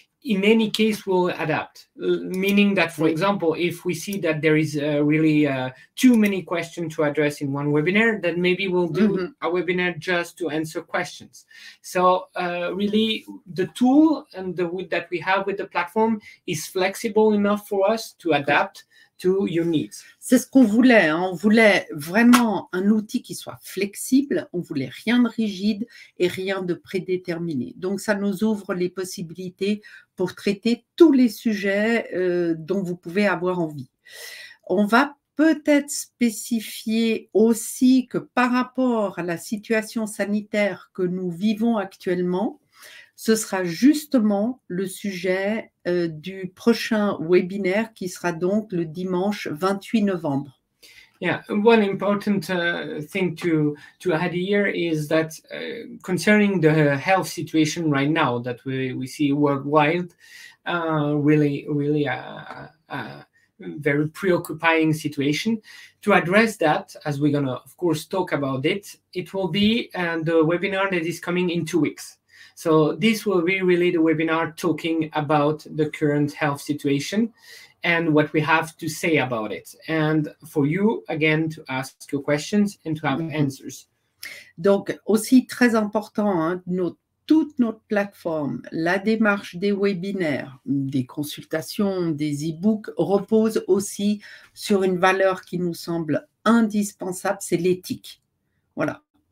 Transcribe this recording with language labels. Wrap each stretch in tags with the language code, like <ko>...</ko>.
<en>in any case, we'll adapt, meaning that, for example, if we see that there is really too many questions to address in one webinar, then maybe we'll do a webinar just to answer questions. So really, the tool and the wood that we have with the platform is flexible enough for us to adapt to your needs.</en> <fr>C'est ce qu'on voulait. Hein. On voulait vraiment un outil qui soit flexible. On voulait rien de rigide et rien de prédéterminé. Donc, ça nous ouvre les possibilités pour traiter tous les sujets dont vous pouvez avoir envie. On va peut-être spécifier aussi que par rapport à la situation sanitaire que nous vivons actuellement, ce sera justement le sujet du prochain webinaire qui sera donc le dimanche 28 novembre.</fr> <en>Yeah, one important thing to add here is that concerning the health situation right now that we see worldwide, very preoccupying situation. To address that, as we're going to, of course, talk about it, it will be the webinar that is coming in 2 weeks. So this will be really the webinar talking about the current health situation and what we have to say about it. And for you, again, to ask your questions and to have answers.</en> <fr>Donc, aussi très important, hein, toute notre plateforme, la démarche des webinaires, des consultations, des e-books, repose aussi sur une valeur qui nous semble indispensable, c'est l'éthique. Voilà.</fr>